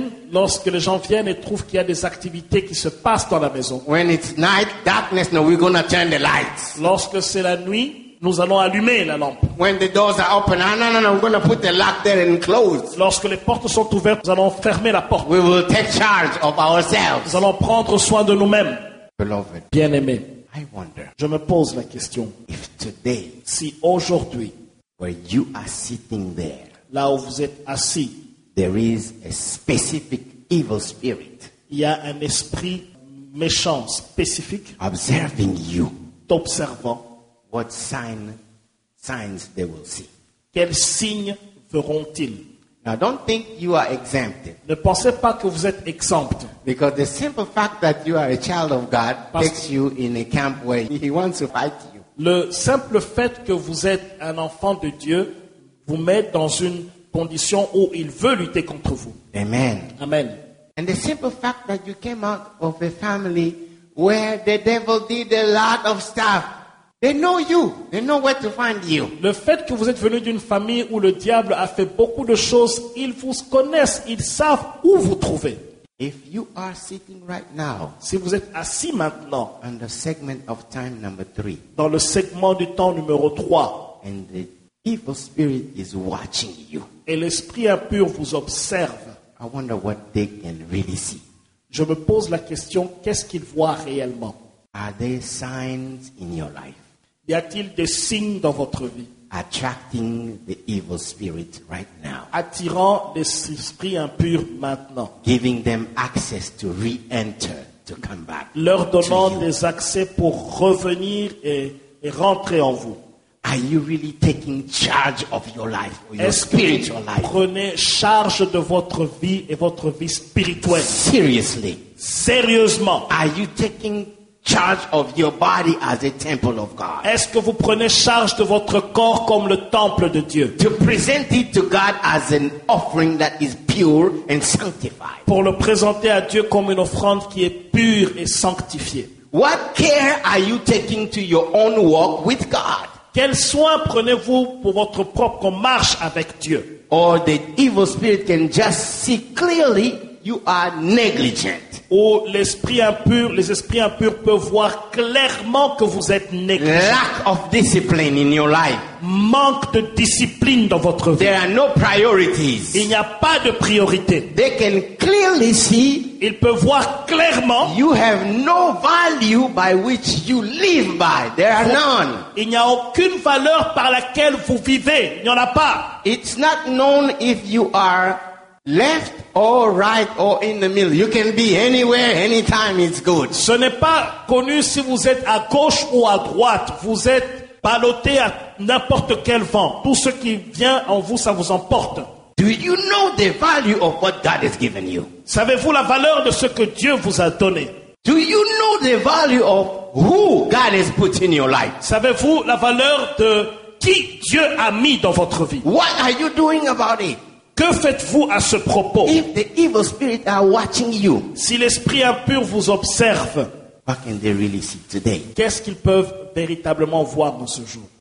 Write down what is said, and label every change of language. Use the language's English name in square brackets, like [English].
[French] Lorsque les gens viennent et trouvent qu'il y a des activités qui se passent dans la maison. [English] When it's night, darkness, no, we're going to turn the lights. [French] Lorsque c'est la nuit, nous allons allumer la lampe. [English] When the doors are open, no, we're going to put the lock there and close. [French] Lorsque les portes sont ouvertes, nous allons fermer la porte. [English] We will take charge of ourselves. [French] Nous allons prendre soin de nous-mêmes. [English] Beloved, [French] bien-aimé, [English] I wonder, [French] je me pose la question, [English] if today, [French] si aujourd'hui, [English] where you are sitting there, [French] là où vous êtes assis, [English] there is a specific evil spirit, [French] il y a un esprit méchant spécifique, [English] observing you, [French] t'observant, [English] what signs they will see. [French] Quels signes verront-ils? [English] Now, don't think you are exempted. [French] Ne pensez pas que vous êtes exempt. [English] Because the simple fact that you are a child of God takes you in a camp where He wants to fight you. [French] Le simple fait que vous êtes un enfant de Dieu vous met dans une condition où il veut lutter contre vous. [English] Amen. [French] Amen. [English] And the simple fact that you came out of a family where the devil did a lot of stuff. They know you. They know where to find you. [French] Le fait que vous êtes venu d'une famille où le diable a fait beaucoup de choses, ils vous connaissent, ils savent où vous trouver. [English] If you are sitting right now, [French] si vous êtes assis maintenant, [English] on the segment of time number three, [French] dans le segment du temps numéro 3, [English] and the evil spirit is watching you, [French] et l'esprit impur vous observe, [English] I wonder what they can really see. [French] Je me pose la question, qu'est-ce qu'ils voient réellement? [English] Are there signs in your life? [French] Y a-t-il des signes dans votre vie? [English] Attracting the evil spirit right now. [French] Attirant des esprits impurs maintenant. [English] Giving them access to re-enter, to come back. [French] Leur donnant des accès pour revenir et rentrer en vous. [English] Are you really taking charge of your life, or your [French] Est-ce [English] spiritual life? [French] Prenez charge de votre vie et votre vie spirituelle. [English] Seriously. [French] Sérieusement. [English] Are you taking charge of your body as a temple of God? [French] Est-ce que vous prenez charge de votre corps comme le temple de Dieu? [English] To present it to God as an offering that is pure and sanctified. [French] Pour le présenter à Dieu comme une offrande qui est pure et sanctifiée. [English] What care are you taking to your own walk with God? [French] Quel soin prenez-vous pour votre propre marche avec Dieu? [English] Or the evil spirit can just see clearly you are negligent. [French] Où les esprits impurs peuvent voir clairement que vous êtes négligent. [English] Lack of discipline in your life. [French] Manque de discipline dans votre vie. [English] There are no priorities. [French] Il n'y a pas de priorité. [English] They can clearly see. [French] Ils peuvent voir clairement. [English] You have no value by which you live by. There are none. [French] Il n'y a aucune valeur par laquelle vous vivez. Il n'y en a pas. [English] It's not known if you are left or right or in the middle. You can be anywhere, anytime, it's good. [French] Ce n'est pas connu si vous êtes à gauche ou à droite. Vous êtes ballotté à n'importe quel vent. Tout ce qui vient en vous, ça vous emporte. [English] Do you know the value of what God has given you? [French] Savez-vous la valeur de ce que Dieu vous a donné? [English] Do you know the value of who God has put in your life? [French] Savez-vous la valeur de qui Dieu a mis dans votre vie? [English] What are you doing about it? [French] Que faites-vous à ce propos? [English] If the evil spirit are watching you, [French] si l'esprit impur vous observe, [English] What can they really see today? [French] Qu'est-ce qu'ils peuvent véritablement voir dans ce jour?